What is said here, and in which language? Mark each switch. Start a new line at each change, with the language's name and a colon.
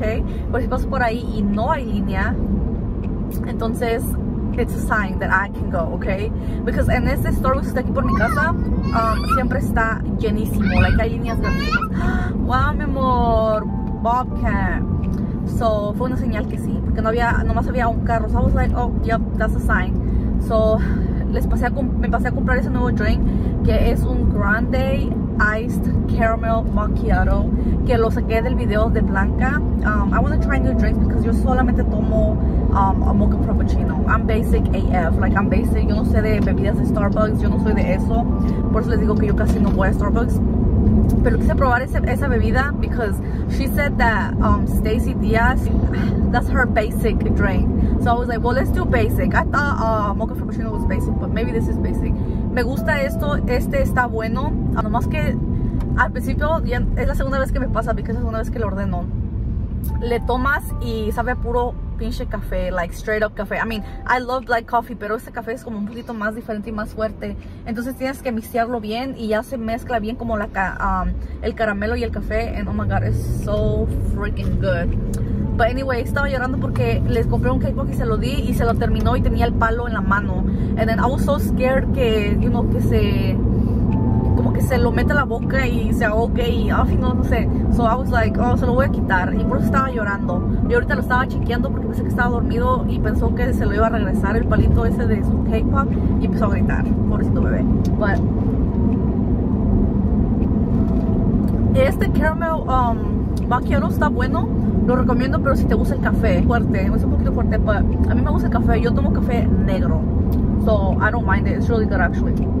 Spanish: Pero si paso por ahí y no hay línea, entonces,
English: it's a sign that I can go,
Spanish: ok. Because en este Starbucks que está aquí por mi casa, siempre está llenísimo. Like, hay líneas grandes. Wow, mi amor, Bobcat. So, fue una señal que sí, porque no había, nomás había un carro.
English: So, I was like, oh, yep, that's a sign.
Spanish: So, me pasé a comprar ese nuevo drink, que es un Grande Iced Caramel Macchiato, que lo saqué del video de Blanca.
English: I want to try new drinks, because
Spanish: yo solamente tomo
English: a mocha frappuccino. I'm basic AF, like, I'm basic.
Spanish: Yo no sé de bebidas de Starbucks, yo no soy de eso. Por eso les digo que yo casi no voy a Starbucks. Pero quise probar esa bebida
English: because she said that Stacy Diaz, that's her basic drink. So I was like, well, let's do basic. I thought mocha frappuccino was basic, but maybe this is basic.
Spanish: Me gusta esto, este está bueno. Nomás que al principio, ya es la segunda vez que me pasa because es la segunda vez que lo ordeno. Le tomas y sabe a puro pinche café,
English: like straight up café. I mean, I love black coffee,
Spanish: pero este café es como un poquito más diferente y más fuerte. Entonces tienes que mixearlo bien y ya se mezcla bien como la el caramelo y el café.
English: And oh my god, it's so freaking good. But anyway,
Spanish: estaba llorando porque les compré un cake pop y se lo di y se lo terminó y tenía el palo en la mano.
English: And then I was so scared
Spanish: que, you know, que se, como que se lo mete a la boca y se ahogue y no sé.
English: So I was like, oh,
Spanish: se lo voy a quitar. Y por eso estaba llorando. Y ahorita lo estaba chequeando porque pensé que estaba dormido y pensó que se lo iba a regresar el palito ese de su cake pop y empezó a gritar. Pobrecito bebé. Bueno. Este caramel macchiato está bueno. Lo recomiendo, pero si te gusta el café fuerte, es un poquito fuerte, pero a mí me gusta el café. Yo tomo café negro.
English: So I don't mind it. It's really good actually.